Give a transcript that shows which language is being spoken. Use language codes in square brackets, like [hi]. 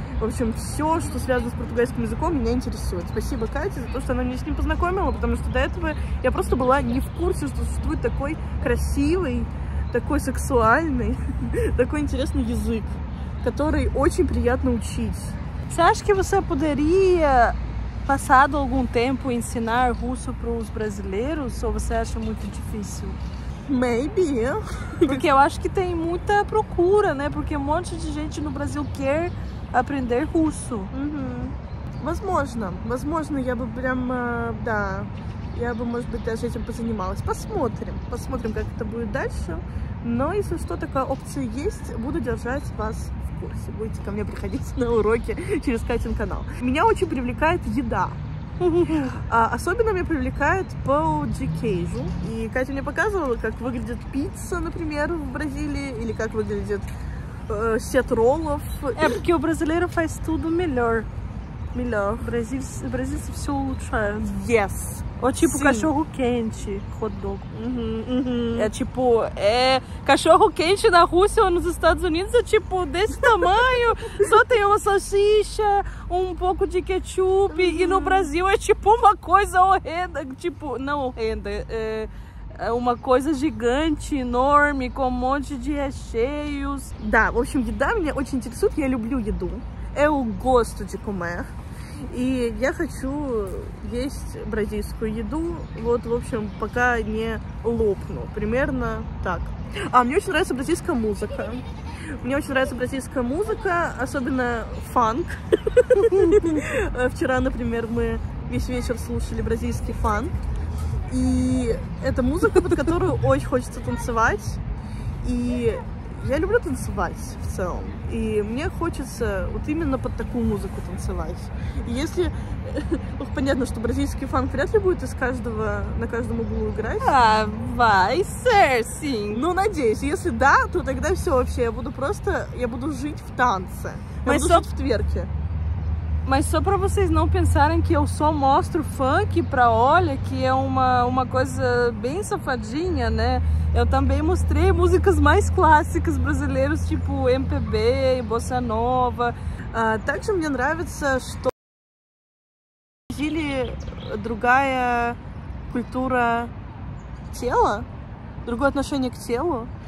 [ru] В общем, все, что связано с португальским языком, меня интересует. Спасибо Кате за то, что она меня с ним познакомила, потому что до этого я просто была не в курсе, что существует такой красивый, такой сексуальный, такой интересный язык, который очень приятно учить. [pt] Você acha que você poderia passar algum tempo ensinar russo para os brasileiros, ou você acha muito difícil? [en] Maybe. [pt] Porque eu acho que tem muita procura, né? Porque um monte de gente no Brasil quer aprender russo. [ru] Uhum. Возможно. Возможно, я бы прям, да, я бы, может быть, даже этим позанималась. Посмотрим. Посмотрим, как это будет дальше. Но если что, такая опция есть, буду держать вас в курсе. Будете ко мне приходить на уроки через Катин канал. Меня очень привлекает еда. Особенно меня привлекает pão de queijo. И Катя мне показывала, как выглядит пицца, например, в Бразилии, или как выглядит сет роллов. [pt] É porque o brasileiro faz tudo melhor. Melhor. [ru] Brasil se все улучшает. [en] Yes. [pt] Ou tipo Sim. cachorro quente, hot dog. Uhum. É tipo, é cachorro quente na Rússia ou nos Estados Unidos é tipo desse tamanho, só tem uma salsicha, um pouco de ketchup, uhum. E no Brasil é tipo uma coisa horrenda, tipo, não horrenda, é uma coisa gigante, enorme, com um monte de recheios. [ru] Dá, в общем, еда меня очень интересует, я люблю еду, [pt] eu gosto de comer. [ru] И я хочу есть бразильскую еду, вот, в общем, пока не лопну. Примерно так. А мне очень нравится бразильская музыка. Мне очень нравится бразильская музыка, особенно фанк. Вчера, например, мы весь вечер слушали бразильский фанк. И это музыка, под которую очень хочется танцевать. И я люблю танцевать в целом. И мне хочется вот именно под такую музыку танцевать. И если... Ну, понятно, что бразильский фанк вряд ли будет из каждого... на каждом углу играть. [pt] А, vai ser, sim. [ru] Ну, надеюсь. Если да, то тогда все вообще. Я буду просто... Я буду жить в танце. Mas я буду жить в тверке. [pt] Mas só pra vocês não pensarem que eu só mostro funk pra Olha, que é uma coisa bem safadinha, né? Eu também mostrei músicas mais clássicas brasileiras, tipo MPB, Bossa Nova. [ru] Также мне нравится, что в Бразилии другая культура тела, другое отношение к телу.